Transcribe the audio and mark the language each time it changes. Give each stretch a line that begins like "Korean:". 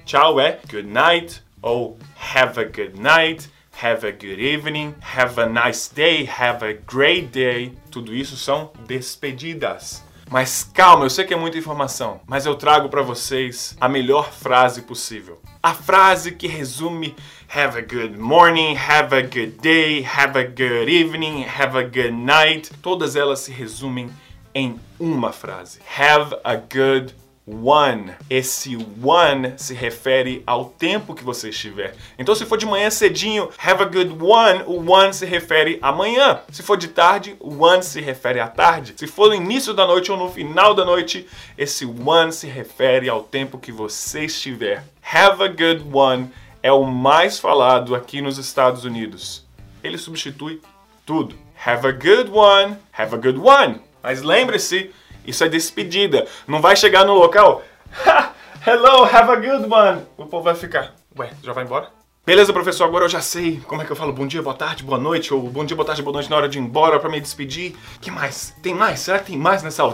Portuguese: Tchau, é
English: good night ou have a good night, have a good evening, have a nice day, have a great day.
Portuguese: Tudo isso são despedidas. Mas calma, eu sei que é muita informação, mas eu trago pra vocês a melhor frase possível. A frase que resume
English: have a good morning, have a good day, have a good evening, have a good night.
Portuguese: Todas elas se resumem em uma frase.
English: Have a good one.
Portuguese: Esse one se refere ao tempo que você estiver. Então se for de manhã cedinho,
English: have a good one,
Portuguese: o one se refere a manhã. Se for de tarde, o one se refere à tarde. Se for no início da noite ou no final da noite, esse one se refere ao tempo que você estiver.
English: Have a good one
Portuguese: é o mais falado aqui nos Estados Unidos. Ele substitui tudo.
English: Have a good one, have a good one.
Portuguese: Mas lembre-se, isso é despedida. Não vai chegar no local, ha,
English: hello, have a good one.
Portuguese: O povo vai ficar, ué, já vai embora? Beleza, professor, agora eu já sei como é que eu falo bom dia, boa tarde, boa noite, ou bom dia, boa tarde, boa noite na hora de ir embora pra me despedir. Que mais? Tem mais? Será que tem mais nessa aula?